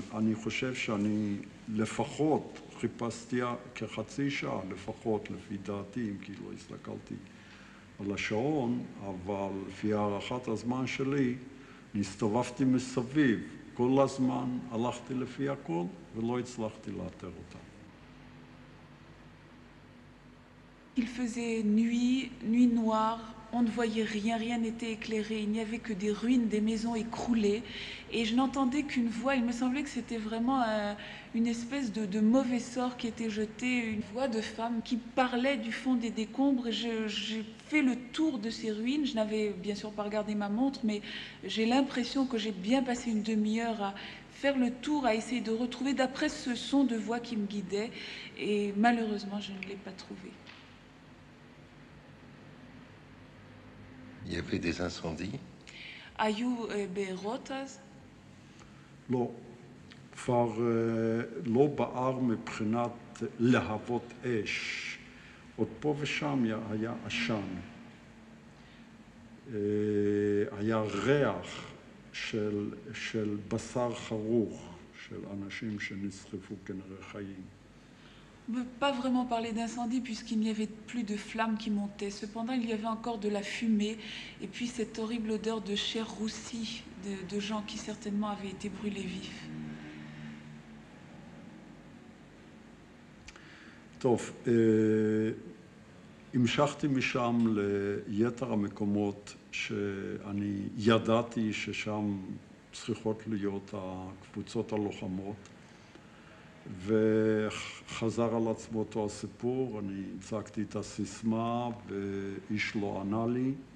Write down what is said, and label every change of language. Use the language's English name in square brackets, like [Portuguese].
[Hebrew] אני חושב שאני לפחות חיפשתי כחצי שעה, לפחות לפי דעתי, אם כאילו הסתכלתי על השעון, אבל לפי הערכת הזמן שלי, הסתובבתי מסביב. כל הזמן הלכתי לפי הכל ולא הצלחתי לאתר אותה. [French] Il faisait nuit, nuit noire, on ne voyait rien, rien n'était éclairé, il n'y avait que des ruines, des maisons écroulées, et je n'entendais qu'une voix, il me semblait que c'était vraiment une espèce de mauvais sort qui était jeté, une voix de femme qui parlait du fond des décombres, et j'ai fait le tour de ces ruines, je n'avais bien sûr pas regardé ma montre, mais j'ai l'impression que j'ai bien passé une demi-heure à faire le tour, à essayer de retrouver d'après ce son de voix qui me guidait, et malheureusement je ne l'ai pas trouvé. Il y avait des incendies. [Hebrew] היו בעירות אז? לא, כבר לא בער מבחינת להבות אש. עוד פה ושם היה עשן. היה ריח של בשר חרוך של אנשים שנסחפו כנראה חיים. [French] On ne peut pas vraiment parler d'incendie puisqu'il n'y avait plus de flammes qui montaient. Cependant, il y avait encore de la fumée et puis cette horrible odeur de chair roussie de gens qui certainement avaient été brûlés vifs. [Hebrew] טוב, המשכתי משם ליתר המקומות שאני ידעתי ששם צריכות להיות הקבוצות הלוחמות. וחזר על עצמו אותו הסיפור, אני הצגתי את הסיסמה ואיש לא ענה לי.